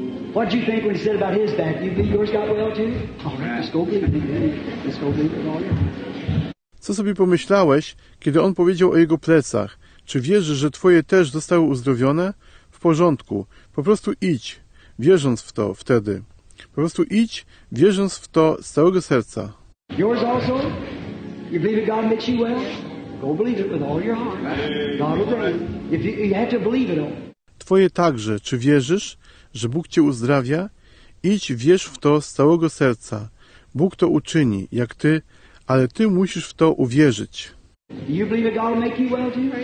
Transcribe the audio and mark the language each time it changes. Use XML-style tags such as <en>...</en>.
<en>What do you think when he said about his back? You think yours got well too? All right, let's go believe it. Let's go believe it all.</en> <pl>Co sobie pomyślałeś, kiedy on powiedział o jego plecach? Czy wierzysz, że twoje też zostały uzdrowione? W porządku. Po prostu idź, wierząc w to wtedy. Po prostu idź, wierząc w to z całego serca.</pl> <en>Yours also? You believe that God makes you well? Go believe it with all your heart. God will bring it. You have to believe it all.</en> <pl>Twoje także. Czy wierzysz, że Bóg cię uzdrawia? Idź, wierz w to z całego serca. Bóg to uczyni, jak ty, ale ty musisz w to uwierzyć.</pl> <en>Do you believe that God will make you well too?</en>